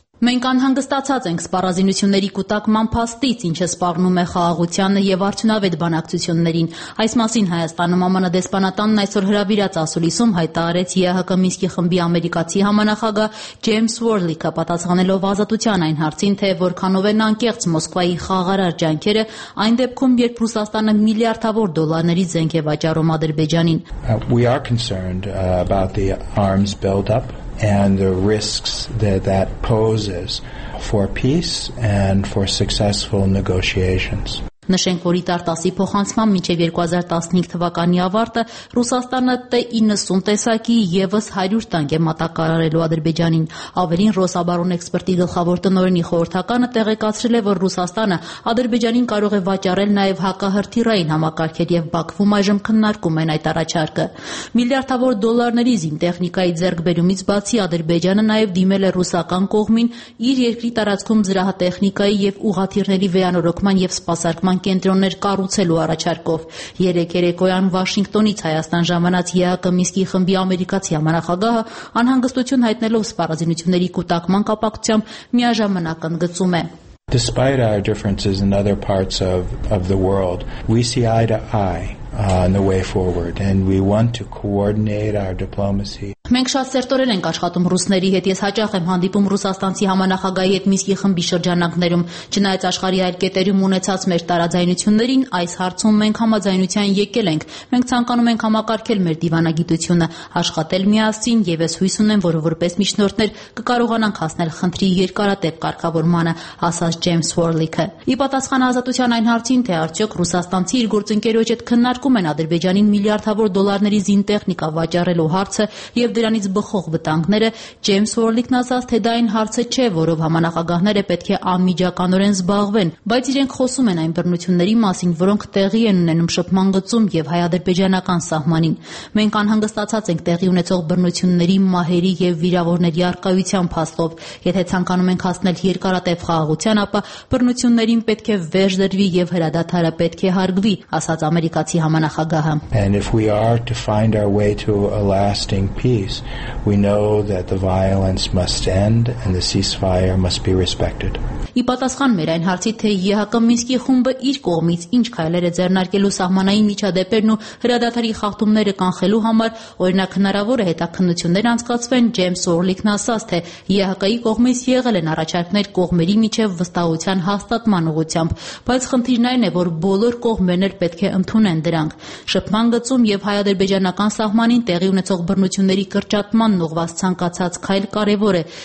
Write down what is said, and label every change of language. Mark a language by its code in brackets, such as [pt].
[hy] Մենք անհանգստացած ենք սպառազինությունների կուտակման փաստից, ինչը սպառնում է խաղաղությանը և արդյունավետ բանակցություններին։ Այս մասին Հայաստանում ԱՄՆ դեսպանատանն այսօր հրավիրած ասուլիսում հայտարարեց ԵԱՀԿ Մինսկի խմբի ամերիկացի համանախագահ Ջեյմս Ուորլիկը, պատասխանելով ազատության այն հարցին, թե որքանով են անկեղծ Մոսկվայի խաղարար ջանքերը այն դեպքում, երբ Ռուսաստանը միլիարդավոր դոլարների զենք է վաճառում Ադրբեջանին։ [en] We are concerned about the arms build-up and the risks that poses for peace and for successful negotiations. [hy] Նշենք, որ իտար 10-ի փոխանցման մինչև 2015 թվականի ավարտը Ռուսաստանը T-90 տեսակի ևս 100 տանկ է մատակարարելու Ադրբեջանին։ Ավելին, Ռոսաբարոն էքսպերտի գլխավոր տնօրենի խորհրդականը տեղեկացրել է, որ Ռուսաստանը Ադրբեջանին կարող է վաճառել նաև հակահրթիռային համակարգեր, և Բաքվում այժմ քննարկում են այդ առաջարկը։ Միլիարդավոր դոլարների զին տեխնիկայի ձեռքբերումից բացի Ադրբեջանը նաև դիմել է ռուսական կողմին իր երկրի տարածքում զրահատեխնիկայի և ուղաթիռների վերանորոգման և սպասարկման կենտրոններ կառուցելու առաջարկով։ Երեկերեկոյան Վաշինգտոնից Հայաստան ժամանած ԵԱՀԿ Մինսկի խմբի ամերիկացի համանախագահը անհանգստություն հայտնելով սպառազինությունների կուտակման կապակցությամբ միաժամանակ ընդգծում է. [en] Despite our differences in other parts of the world, we see eye to eye on the way forward, and we want to coordinate our diplomacy. [hy] Մենք շատ սերտորեն ենք աշխատում ռուսների հետ, ես հաճախ եմ հանդիպում ռուսաստանցի համանախագահի հետ Միսկի խմբի շրջանակներում, չնայած աշխարհի այլ կետերում ունեցած մեր տարաձայնություններին, այս հարցում մենք համաձայնության եկել ենք, մենք ցանկանում ենք համակարգել մեր դիվանագիտությունը, աշխատել միասին, և ես հույս ունեմ, որ որպես միջնորդներ կկարողանանք հասնել խնդրի երկարատև կարգավորմանը, ասաց Ջեյմս Ուորլիկը։ Ի պատասխան ազատության այն հարցին, թե արդյոք ռուսաստանցի իր գործընկերոջ հետ քննարկում են Ադրբեջանին միլիարդավոր դոլարների զին տեխնիկա վաճառելու հարցը և դրանից բխող վտանգները, Ջեյմս Ուորլիկն ասաց, թե դա այն հարցը չէ, որով համանախագահները պետք է անմիջականորեն զբաղվեն, բայց իրենք խոսում են այն բռնությունների մասին, որոնք տեղի են ունենում շփման գծում և հայ-ադրբեջանական սահմանին։ Մենք անհանգստացած ենք տեղի ունեցող բռնությունների, մահերի և վիրավորների առկայության փաստով։ Եթե ցանկանում ենք հասնել երկարատև խաղաղության, ապա բռնություններին պետք է վերջ դրվի և հրադադարը պետք է հարգվի, ասաց ամերիկացի համանախագահը։ [en] Peace, we know that the violence must end and the ceasefire must be respected. [hy] Ի պատասխան մեր այն հարցի, թե ԵԱՀԿ Մինսկի խումբը իր կողմից ինչ քայլեր է ձեռնարկելու սահմանային միջադեպերն ու հրադադարի խախտումները կանխելու համար, օրինակ հնարավոր է հետաքննություններ անցկացվեն, Ջեյմս Ուորլիկն ասաց, թե ԵԱՀԿ-ի կողմից եղել են առաջարկներ կողմերի միջև վստահության հաստատման ուղղությամբ, բայց խնդիրն այն է, որ բոլոր կողմերն էլ պետք է ընդունեն դրանք։ Շփման գծում և հայ-ադրբեջանական սահմանին տեղի ունեցող բռնությունների կրճատման ուղված ցանկացած քայլ կարևոր է,